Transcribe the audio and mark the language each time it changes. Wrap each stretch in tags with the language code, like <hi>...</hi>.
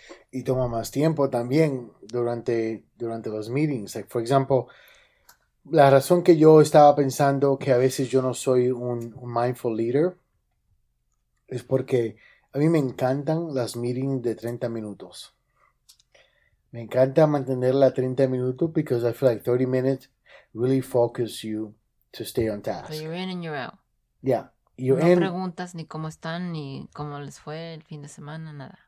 <es>Y toma más tiempo también durante los meetings.</es> <en>Like, for example,</en> <es>la razón que yo estaba pensando que a veces yo no soy un mindful leader es porque a mí me encantan las meetings de 30 minutos. Me encanta mantenerla 30 minutos</es> <en>because I feel like 30 minutes really focus you to stay on task. So you're in and you're out. Yeah. You're no in.</en> <es>Preguntas ni cómo están ni cómo les fue el fin de semana, nada.</es>